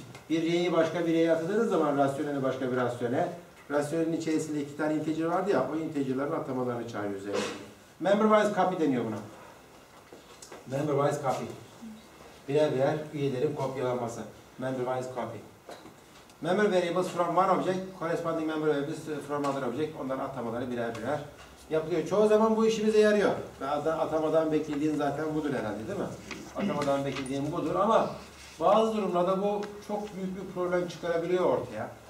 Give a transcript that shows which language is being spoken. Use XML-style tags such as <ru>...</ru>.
<tr>Bir yeyi başka bir yeye atadığınız zaman rasyoneli başka bir rasyone, rasyonelin içerisinde iki tane integer vardı ya, o integer'ların atamalarını çağırıyor üzerinde. Member wise copy deniyor buna. Member wise copy. Birer birer üyelerin kopyalanması.</tr> <en>Member wise copy. Member variables from one object, corresponding member variables from other object.</en> <tr>Onların atamaları birer birer yapılıyor. Çoğu zaman bu işimize yarıyor. Ve atamadan beklediğin zaten budur herhalde, değil mi? Atamadan beklediğin budur ama bazı durumlarda bu çok büyük bir problem çıkarabiliyor ortaya.</tr>